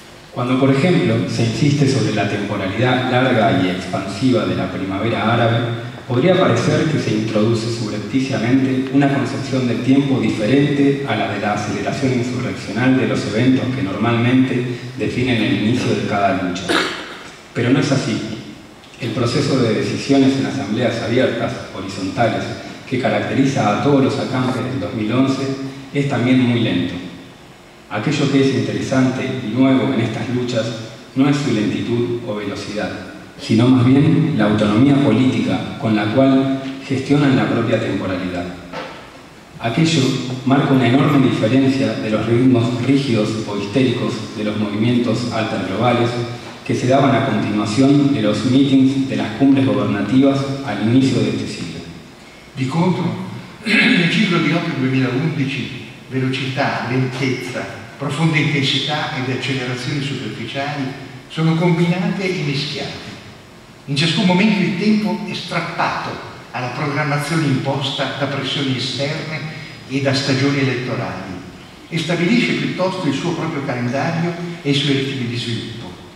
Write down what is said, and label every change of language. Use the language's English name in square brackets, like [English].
[Italian] Quando, per esempio, si insiste sulla temporalità larga e espansiva della primavera árabe, potrebbe parecer che si introduce subrepticiamente una concezione del tempo differente a la della accelerazione insurrezionale [Spanish] de los eventos [Italian] che normalmente [Spanish] definen el inicio de cada lucha. Pero no es así. El proceso de decisiones en asambleas abiertas, horizontales, que caracteriza a todos los acampes del 2011, es también muy lento. Aquello que es interesante y nuevo en estas luchas no es su lentitud o velocidad, sino más bien la autonomía política con la cual gestionan la propia temporalidad. Aquello marca una enorme diferencia de los ritmos rígidos o histéricos de los movimientos alterglobales que se daban a continuación de los meetings de las cumbres gubernativas al inicio de este siglo. [Italian] Di contro, nel ciclo di Oppio 2011, velocità, lentezza, profonda intensità ed accelerazioni superficiali sono combinate e mischiate. In ciascun momento il tempo è strappato alla programmazione imposta da pressioni esterne e da stagioni elettorali e stabilisce piuttosto il suo proprio calendario e i suoi ritmi di sviluppo.